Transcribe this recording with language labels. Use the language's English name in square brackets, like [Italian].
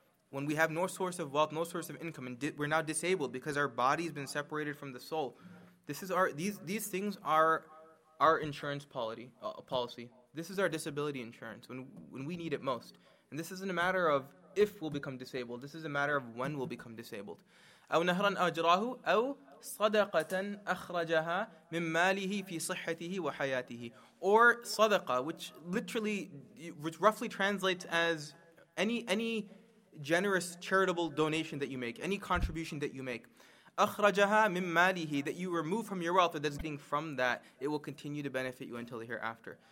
[English] When we have no source of wealth, no source of income, and we're now disabled because our body's been separated from the soul. These things are our insurance policy. This is our disability insurance when we need it most. And this isn't a matter of if we'll become disabled. This is a matter of when we'll become disabled. [Arabic] أَوْ نَهْرًا أَجْرَاهُ أَوْ صَدَقَةً أَخْرَجَهَا مِن مَالِهِ فِي صِحَّتِهِ وَحَيَاتِهِ. [English] Or صَدَقَةً, which roughly translates as any generous charitable donation that you make, any contribution that you make. [Arabic] أَخْرَجَهَا مِن مَالِهِ, [English] that you remove from your wealth, or that's getting from that, it will continue to benefit you until the hereafter.